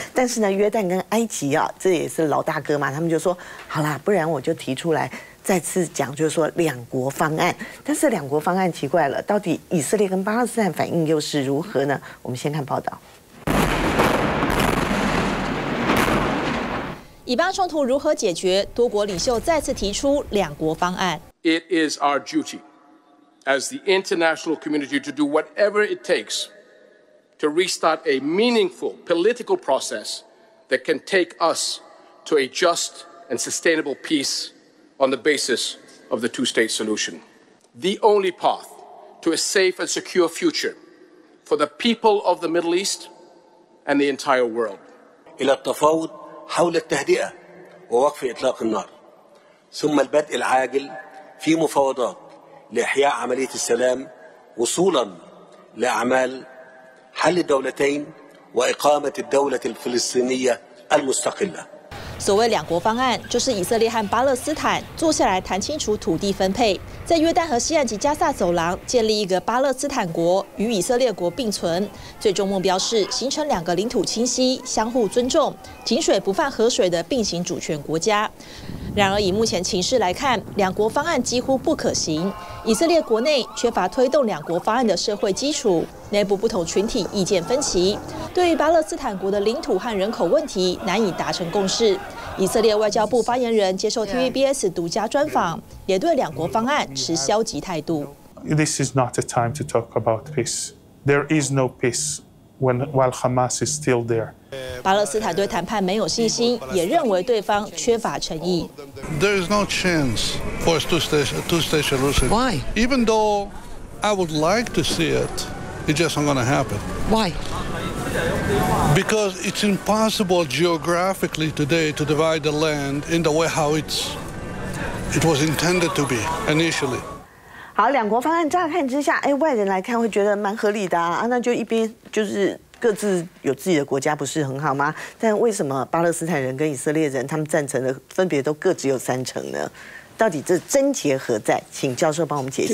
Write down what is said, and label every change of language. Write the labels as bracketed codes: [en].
[zh] 但是呢，约旦跟埃及啊，这也是老大哥嘛，他们就说好啦，不然我就提出来再次讲，就是说两国方案。但是两国方案奇怪了，到底以色列跟巴勒斯坦反应又是如何呢？我们先看报道。以巴冲突如何解决？多国领袖再次提出两国方案。 [en] It is our duty as the international community to do whatever it takes to restart a meaningful political process that can take us to a just and sustainable peace on the basis of the two-state solution. The only path to a safe and secure future for the people of the Middle East and the entire world. [ar] إلى التفاوض. حول التهدئة ووقف إطلاق النار ثم البدء العاجل في مفاوضات لإحياء عملية السلام وصولا لأعمال حل الدولتين وإقامة الدولة الفلسطينية المستقلة [zh] 所谓两国方案，就是以色列和巴勒斯坦坐下来谈清楚土地分配，在约旦河西岸及加萨走廊建立一个巴勒斯坦国，与以色列国并存。最终目标是形成两个领土清晰、相互尊重、井水不犯河水的并行主权国家。然而，以目前情势来看，两国方案几乎不可行。以色列国内缺乏推动两国方案的社会基础，内部不同群体意见分歧，对于巴勒斯坦国的领土和人口问题难以达成共识。以色列外交部发言人接受 TVBS 独家专访，也对两国方案持消极态度。 [en] This is not a time to talk about peace. There is no peace when while Hamas is still there. [zh] 巴勒斯坦对谈判没有信心，也认为对方缺乏诚意。 [en] There is no chance for a two-state solution. Why? Even though I would like to see it, it just not going to happen. Why? Because it's impossible geographically today to divide the land in the way how it was intended to be initially. [zh] 好，两国方案乍看之下，哎，外人来看会觉得蛮合理的啊，那就一边就是各自有自己的国家，不是很好吗？但为什么巴勒斯坦人跟以色列人他们赞成的分别都各只有三成呢？到底这症结何在？请教授帮我们解析。